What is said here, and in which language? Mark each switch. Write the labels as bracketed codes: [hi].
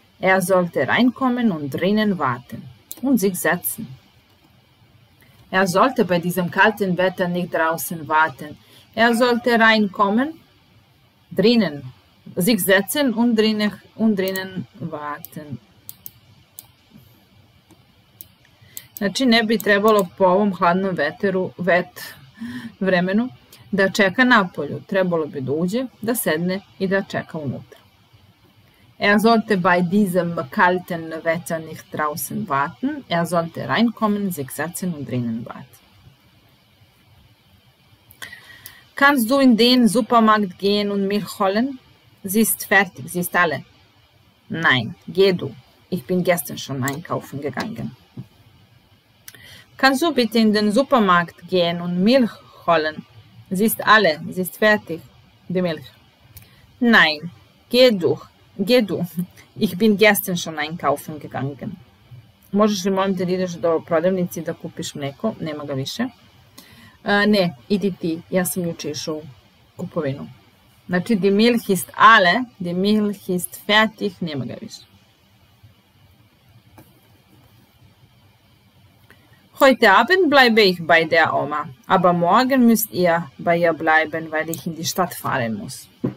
[de] Er sollte reinkommen und drinnen warten und sich setzen. Er sollte bei diesem kalten Wetter nicht draußen warten. Er sollte reinkommen, drinnen, sich setzen und drinnen warten. [sr] Znači, ne bi trebalo po ovom hladnom veteru, vremenu, da čeka napolju. Trebalo bi da uđe, da sedne i da čeka unutra. [de] Er sollte bei diesem kalten Wetter nicht draußen warten. Er sollte reinkommen, sich setzen und drinnen warten. Kannst du in den Supermarkt gehen und Milch holen? Sie ist fertig, sie ist alle. Nein, geh du. Ich bin gestern schon einkaufen gegangen. Kannst du bitte in den Supermarkt gehen und Milch holen? Sie ist alle, sie ist fertig, die Milch. Nein, geh du. Ich bin gestern schon einkaufen gegangen. [sr] Možeš li molim te da ideš do prodavnici da kupiš mleko? Nema ga više. Ne, idi ti, ja sam juče išao u kupovinu. Znači, [de] die Milch ist alle, die Milch ist fertig, [sr] nema ga više. [de] Heute Abend bleibe ich bei der Oma, aber morgen müsst ihr bei ihr bleiben, weil ich in die Stadt fahren muss.